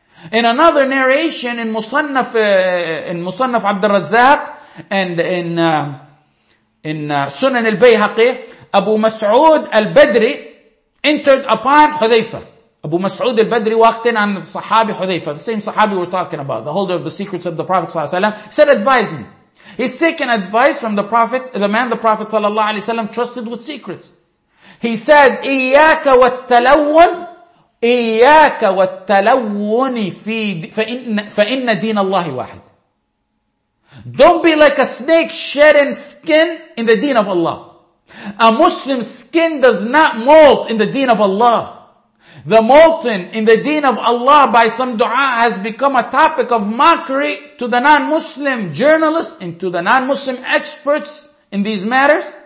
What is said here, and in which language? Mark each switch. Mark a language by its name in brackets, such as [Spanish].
[English] In another narration in Musannaf Abd al-Razzaq and in Sunan al-Bayhaqi, Abu Mas'ud al-Badri entered upon Hudhayfa. Abu Mas'ud al-Badri walked in on the Sahabi Hudhayfa, the same Sahabi we're talking about, the holder of the secrets of the Prophet sallallahu alaihi wasallam. He said, advise me. He's seeking advice from the Prophet, the man the Prophet sallallahu alaihi wasallam trusted with secrets. He said, [Arabic] إِيَّاكَ وَالتَّلَوُّنِ إِيَّاكَ وَالتَّلَوُّنِ فِي فَإِنَّ دِينَ اللَّهِ وَاحِدٌ. [English] Don't be like a snake shedding skin in the deen of Allah. A Muslim skin does not molt in the deen of Allah. The molting in the deen of Allah by some dua has become a topic of mockery to the non-Muslim journalists and to the non-Muslim experts in these matters.